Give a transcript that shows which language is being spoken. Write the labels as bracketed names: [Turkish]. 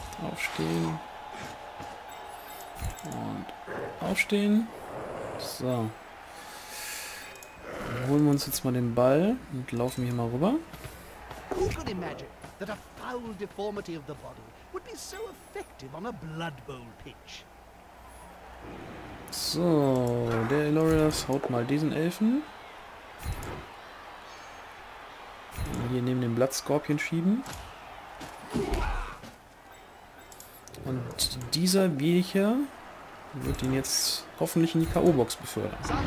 [German] Aufstehen. Und aufstehen. So. Dann holen wir uns jetzt mal den Ball und laufen hier mal rüber. [English] Who could imagine that a foul deformity of the body would be so effective on a Blood Bowl pitch? [German] So, der Elorius haut mal diesen Elfen. Hier neben den Blood Scorpion schieben. Und dieser Viecher wird ihn jetzt hoffentlich in die K.O.-Box befördern.